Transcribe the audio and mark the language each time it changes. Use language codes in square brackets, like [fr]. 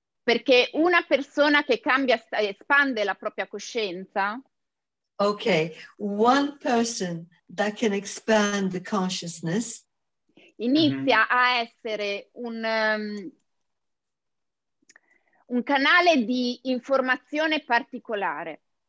[it] Perché una persona che cambia, espande la propria coscienza. [en] Ok, one person that can expand the consciousness. [it] Inizia mm-hmm. a essere un canale di informazione particolare.